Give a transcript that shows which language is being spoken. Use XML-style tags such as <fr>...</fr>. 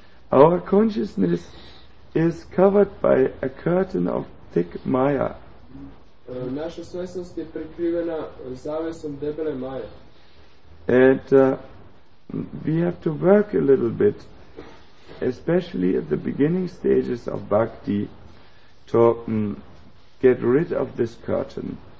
<en>Our consciousness is covered by a curtain of thick Maya.</en> <sr>Naša svjesnost je prekrivena zavjesom debele Maje.</sr> <en>And we have to work a little bit, especially at the beginning stages of bhakti, to get rid of this curtain.</en>